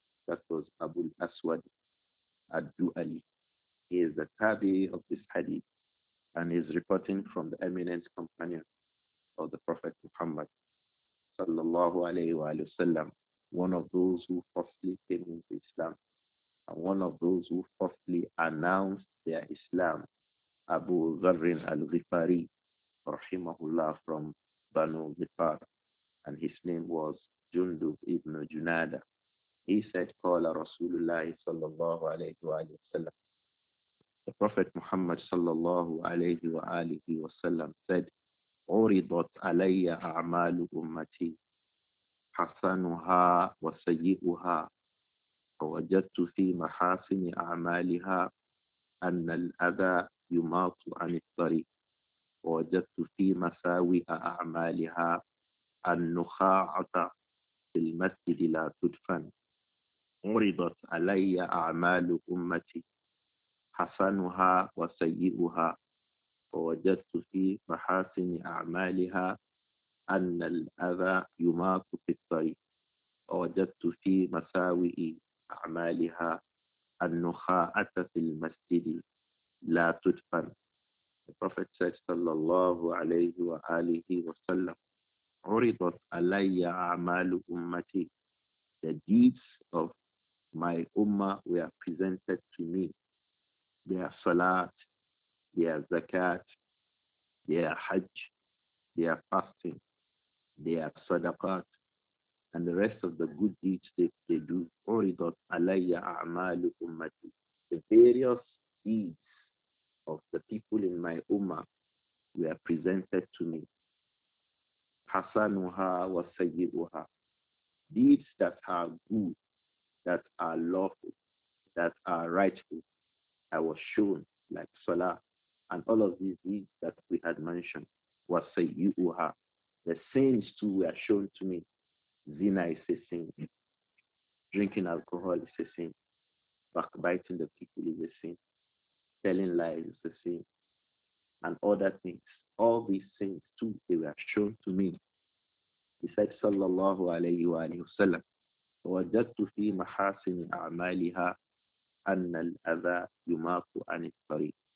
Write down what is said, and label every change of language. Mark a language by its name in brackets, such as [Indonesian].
[English] That was Abu al-Aswad al-Du'ali. He is the tabi of this hadith and is reporting from the eminent companion of the Prophet Muhammad sallallahu alayhi wa sallam, one of those who firstly came into Islam and one of those who firstly announced their Islam, Abu Dharrin al-Ghifari, rahimahullah, from Banu Ghifar, and his name was Jundub ibn Junada. He said, Qala Rasulullah sallallahu alayhi wa sallam. The Prophet Muhammad sallallahu alayhi wa alihi wa sallam said, [Arabic] عُرِضَتْ عَلَيَّ أَعْمَالُ أُمَّتِي حَسَنُهَا وَسَيِّئُهَا فَوَجَدْتُ فِي مَحَاسِنِ أَعْمَالِهَا أَنَّ الْأَذَى يُمَاطُ عَنِ الطَّرِيقِ وَوَجَدْتُ فِي مَسَاوِئَ أَعْمَالِهَا النُّخَاعَةَ فِي الْمَسْجِدِ لَا تُدْفَنُ عُرِضَتْ عَلَيَّ أَعْمَالُ أُمَّتِي حَسَنُهَا وَسَيِّئُهَا فوجدت في محاسن أعمالها أن الأذى يماط في الطريق ووجدت في مساوئ أعمالها النخاءة في المسجد لا تدفن. [English] The Prophet said, [Arabic] صلى الله عليه وآله وسلم, عرضت علي أعمال أمتي. [English] The deeds of my ummah were presented to me. Their salat, their zakat, their hajj, their fasting, their sadaqat, and the rest of the good deeds that they do. [Arabic] Uridat alayya a'malu ummati. [English] The various deeds of the people in my ummah were presented to me. [Arabic] Hasanuha wa sayyi'uha. [English] Deeds that are good, that are lawful, that are rightful, I was shown, like salah, and all of these deeds that we had mentioned, was sayyi'uha. The sins too were shown to me. Zina is a sin. Drinking alcohol is a sin. Backbiting the people is a sin. Telling lies is a sin. And other things. All these sins too, they were shown to me. He said, [Arabic] sallallahu alayhi wa sallam, وَجَدْتُ فِي مَحَاسِنِ أَعْمَالِهَا أَنَّ الْأَذَى يُمَاطُ عَنِ الطَّرِيقِ.